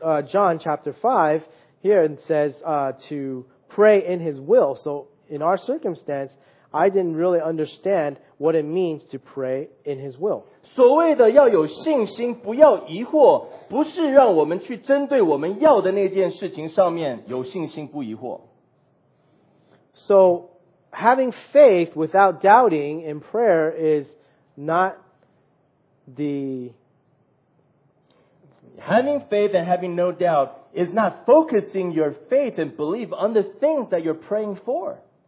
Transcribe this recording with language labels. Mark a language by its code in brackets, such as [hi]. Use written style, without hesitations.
[en] John chapter 5, here it says to pray in His will. So in our circumstance, I didn't really understand what it means to pray in His will. [zh] 所谓的要有信心,不要疑惑,不是让我们去针对我们要的那件事情上面有信心不疑惑。 [en] So having faith without doubting in prayer is not the... Having faith and having no doubt is not focusing your faith and belief on the things that you're praying for.